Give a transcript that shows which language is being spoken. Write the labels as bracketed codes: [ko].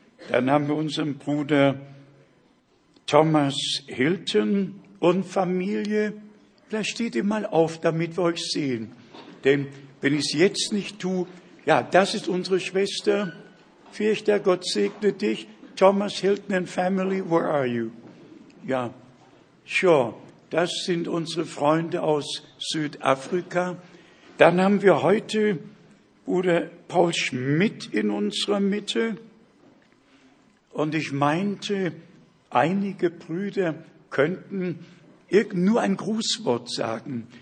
[de] Dann haben wir unseren Bruder Thomas Hilton und Familie. Vielleicht steht ihr mal auf, damit wir euch sehen. Denn wenn ich es jetzt nicht tue, ja, das ist unsere Schwester Fürchter. Gott segne dich. [en] Thomas Hilton and Family, where are you? Ja, sure. [de] Das sind unsere Freunde aus Südafrika. Dann haben wir heute Bruder Paul Schmidt in unserer Mitte. Und ich meinte, einige Brüder könnten nur ein Grußwort sagen.